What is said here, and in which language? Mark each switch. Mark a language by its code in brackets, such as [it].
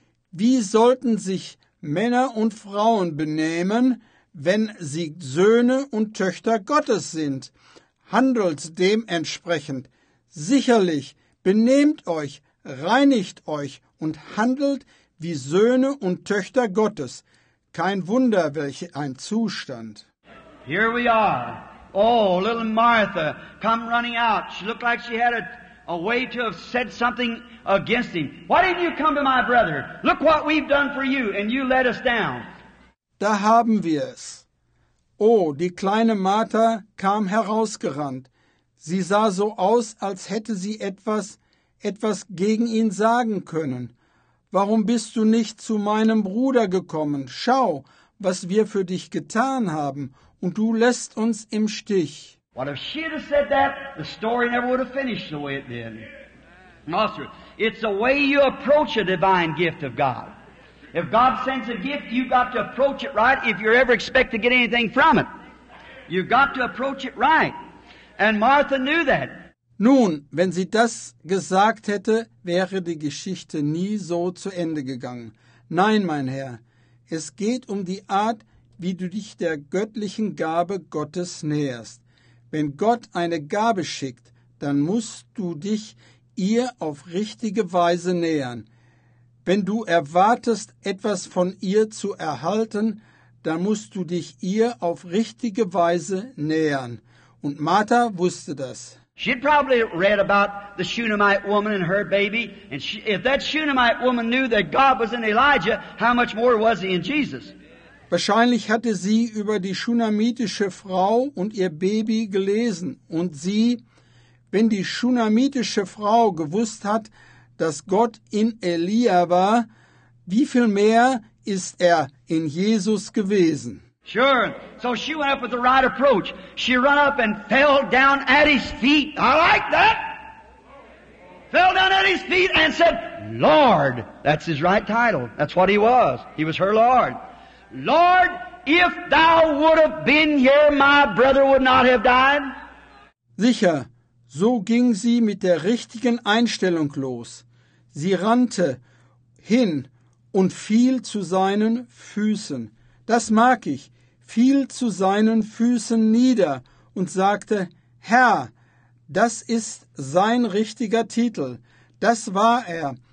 [de] Wie sollten sich Männer und Frauen benehmen, wenn sie Söhne und Töchter Gottes sind? Handelt dementsprechend. Sicherlich, benehmt euch, reinigt euch und handelt wie Söhne und Töchter Gottes. Kein Wunder, welch ein Zustand. [en] Here we are. Oh, little Martha, come running out. She looked like she had a way to have said something against him. Why didn't you come to my brother? Look what we've done for you, and you let us down. [de] Da haben wir es. Oh, die kleine Martha kam herausgerannt. Sie sah so aus, als hätte sie etwas gegen ihn sagen können. Warum bist du nicht zu meinem Bruder gekommen? Schau, was wir für dich getan haben, und du lässt uns im Stich. [en] What if she had said that, the story never would have finished the way it did. Master, it's the way you approach a divine gift of God. If God sends a gift, you've got to approach it right if you're ever expect to get anything from it. You've got to approach it right. And Martha knew that. [de] Nun, wenn sie das gesagt hätte, wäre die Geschichte nie so zu Ende gegangen. Nein, mein Herr, es geht um die Art, wie du dich der göttlichen Gabe Gottes näherst. Wenn Gott eine Gabe schickt, dann musst du dich ihr auf richtige Weise nähern. Wenn du erwartest, etwas von ihr zu erhalten, dann musst du dich ihr auf richtige Weise nähern. Und Martha wusste das. [en] She'd probably read about the Shunammite woman and her baby, and if that Shunammite woman knew that God was in Elijah, how much more was he in Jesus? [de] Wahrscheinlich hatte sie über die shunammitische Frau und ihr Baby gelesen, und sie, wenn die shunammitische Frau gewusst hat, dass Gott in Elia war, wie viel mehr ist er in Jesus gewesen? [en] Sure. So she went up with the right approach. She ran up and fell down at his feet. I like that. Fell down at his feet and said, Lord. That's his right title. That's what he was. He was her Lord. Lord, if thou would have been here, my brother would not have died. [de] Sicher, so ging sie mit der richtigen Einstellung los. Sie rannte hin und fiel zu seinen Füßen. Das mag ich. Fiel zu seinen Füßen nieder und sagte, Herr, das ist sein richtiger Titel. Das war er.